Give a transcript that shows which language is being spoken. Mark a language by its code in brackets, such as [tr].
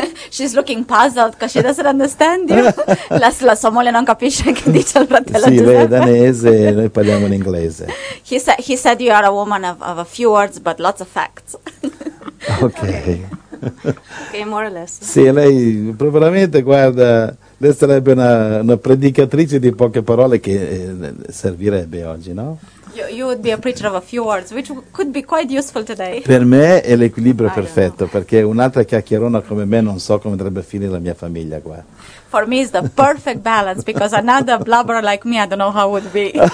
[en] She's looking puzzled because she doesn't understand you. [it] La sua moglie non capisce che dice il fratello. Sì, lei è danese, noi parliamo in inglese. [en] He said you are a woman of a few words but lots of facts. Okay, more or less. [it] Sì, lei probabilmente guarda. Sarebbe una predicatrice di poche parole che servirebbe oggi, no? [en] You would be a preacher of a few words, which could be quite useful today. [it] Per me è l'equilibrio perfetto, perché un'altra chiacchierona come me non so come andrebbe a finire la mia famiglia qua. [en] For me is the perfect balance, because another blubber like me, I don't know how it would be.